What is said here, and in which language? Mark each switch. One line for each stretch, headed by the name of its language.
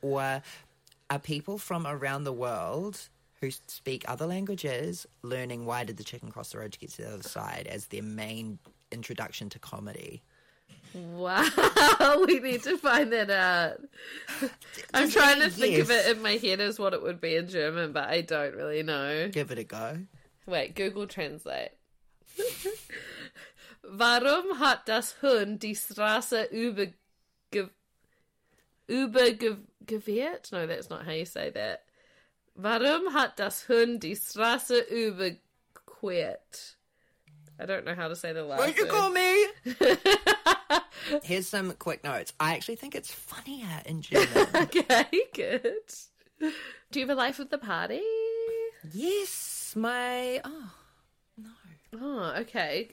English: Or are people from around the world who speak other languages learning why did the chicken cross the road to get to the other side as their main introduction to comedy? Wow, we need to find that out. I'm trying to think of it in my head as what it would be in German, but I don't really know. Give it a go. Wait, Google Translate.
German: Warum hat das Huhn die Straße überquert?
English: No, that's not how you say that.
German: Warum hat das Huhn die Straße überquert?
English: I don't know how to say the last word. Won't you call me? Here's some quick notes. I actually think it's funnier in German. Okay, good. Do you have a life of the party? Yes, my... Oh, no. Oh, okay.